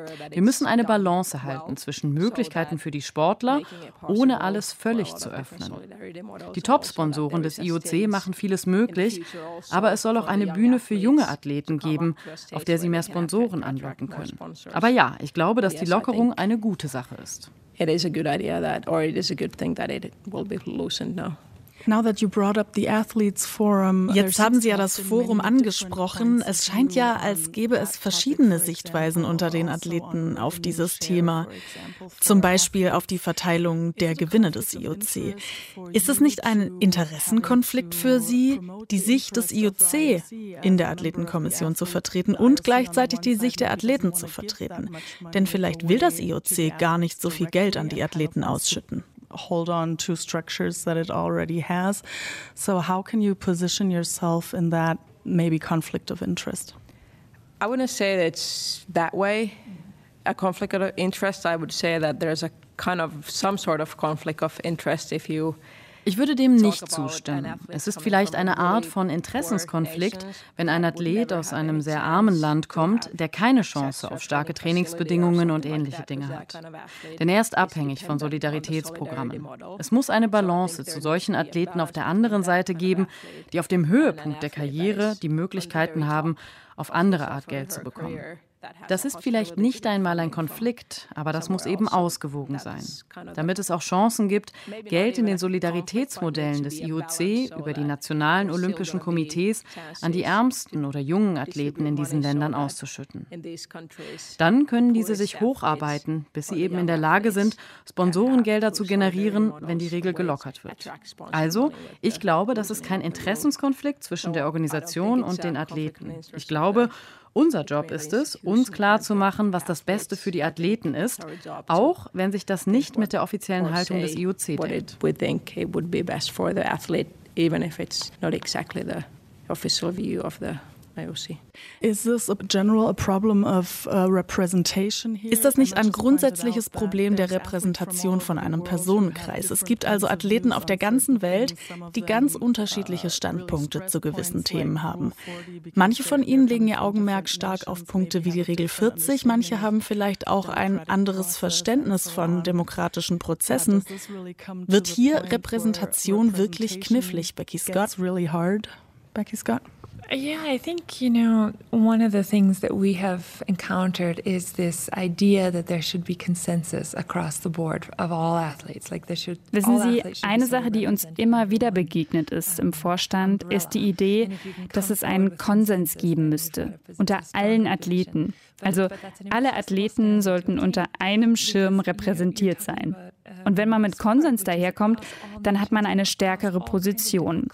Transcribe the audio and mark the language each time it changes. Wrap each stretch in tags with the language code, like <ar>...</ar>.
<de>Wir müssen eine Balance halten zwischen Möglichkeiten für die Sportler, ohne alles völlig zu öffnen. Die Top-Sponsoren des IOC machen vieles möglich, aber es soll auch eine Bühne für junge Athleten geben, auf der sie mehr Sponsoren anlocken können. Aber ja, ich glaube, dass die Lockerung eine gute Sache ist.</de> <en>It is a good idea that, or it is a good thing that it will be loosened now. Now that you brought up the athletes forum,</en> <de>jetzt haben Sie ja das Forum angesprochen. Es scheint ja, als gäbe es verschiedene Sichtweisen unter den Athleten auf dieses Thema, zum Beispiel auf die Verteilung der Gewinne des IOC. Ist es nicht ein Interessenkonflikt für Sie, die Sicht des IOC in der Athletenkommission zu vertreten und gleichzeitig die Sicht der Athleten zu vertreten? Denn vielleicht will das IOC gar nicht so viel Geld an die Athleten ausschütten.</de> <en>Hold on to structures that it already has. So how can you position yourself in that maybe conflict of interest? I wouldn't say that it's that way, a conflict of interest. I would say that there's a kind of some sort of conflict of interest if you.</en> <de>Ich würde dem nicht zustimmen. Es ist vielleicht eine Art von Interessenskonflikt, wenn ein Athlet aus einem sehr armen Land kommt, der keine Chance auf starke Trainingsbedingungen und ähnliche Dinge hat. Denn er ist abhängig von Solidaritätsprogrammen. Es muss eine Balance zu solchen Athleten auf der anderen Seite geben, die auf dem Höhepunkt der Karriere die Möglichkeiten haben, auf andere Art Geld zu bekommen. Das ist vielleicht nicht einmal ein Konflikt, aber das muss eben ausgewogen sein, damit es auch Chancen gibt, Geld in den Solidaritätsmodellen des IOC über die nationalen olympischen Komitees an die ärmsten oder jungen Athleten in diesen Ländern auszuschütten. Dann können diese sich hocharbeiten, bis sie eben in der Lage sind, Sponsorengelder zu generieren, wenn die Regel gelockert wird. Also, ich glaube, das ist kein Interessenskonflikt zwischen der Organisation und den Athleten. Ich glaube, unser Job ist es, uns klarzumachen, was das Beste für die Athleten ist, auch wenn sich das nicht mit der offiziellen Haltung des IOC deckt.</de> <en>We think it would be best for the athlete, even if it's not exactly the official view of the IOC. Is this a general problem of representation here?</en> <de>Ist das nicht ein grundsätzliches Problem der Repräsentation von einem Personenkreis? Es gibt also Athleten auf der ganzen Welt, die ganz unterschiedliche Standpunkte zu gewissen Themen haben. Manche von ihnen legen ihr Augenmerk stark auf Punkte wie die Regel 40, manche haben vielleicht auch ein anderes Verständnis von demokratischen Prozessen. Wird hier Repräsentation wirklich knifflig, Becky Scott?</de> <en>Really hard, Becky Scott? Yeah, I think, you know, one of the things that we have encountered is this idea that there should be consensus across the board of all athletes. Like there should.</en> <de>Wissen Sie, eine Sache, die uns immer wieder begegnet ist im Vorstand, ist die Idee, dass es einen Konsens geben müsste unter allen Athleten. Also alle Athleten sollten unter einem Schirm repräsentiert sein. Und wenn man mit Konsens daherkommt, dann hat man eine stärkere Position.</de>